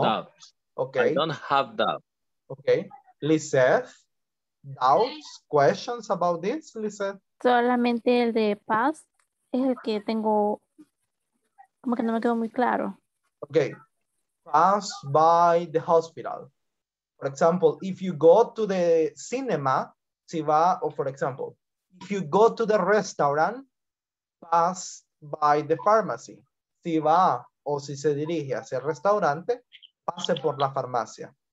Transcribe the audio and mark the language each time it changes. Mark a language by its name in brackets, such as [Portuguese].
[English] Doubts. Okay. I don't have doubt. Okay. Lizeth, doubts, questions about this, Lizeth? [Spanish] Solamente el de past es el que tengo, como que no me quedó muy claro. [English] Okay. Pass by the hospital. For example, if you go to the cinema, [Spanish] si va, [English] or for example, if you go to the restaurant, pass by the pharmacy. [Spanish] Si va o si se dirige hacia el restaurante, pase por la farmacia.